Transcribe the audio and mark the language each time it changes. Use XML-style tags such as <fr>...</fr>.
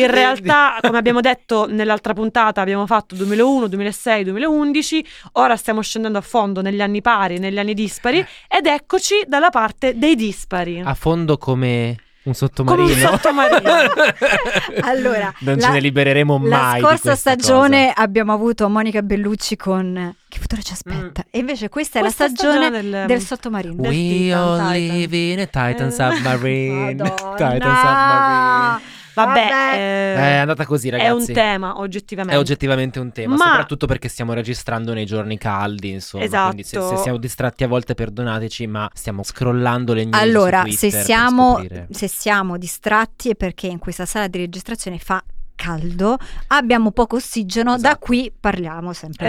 <it>In realtà, come abbiamo detto nell'altra puntata, abbiamo fatto 2001, 2006, 2011, ora stiamo scendendo a fondo negli anni pari, negli anni dispari, ed eccoci dalla parte dei dispari. A fondo come un sottomarino. Come un sottomarino. Allora, non ce ne libereremo mai. La scorsa di stagione cosa. Abbiamo avuto Monica Bellucci con Che futuro ci aspetta? E invece questa è la stagione del sottomarino.</it> <en>We are living a Titan submarine. Titan submarine.</en> <it>Vabbè, è andata così, ragazzi. È un tema, oggettivamente. È oggettivamente un tema. Ma soprattutto perché stiamo registrando nei giorni caldi, insomma. Esatto. Quindi se siamo distratti a volte, perdonateci, ma stiamo scrollando le news. Allora, su Twitter se siamo distratti è perché in questa sala di registrazione fa caldo, abbiamo poco ossigeno, esatto. Da qui parliamo sempre.</it>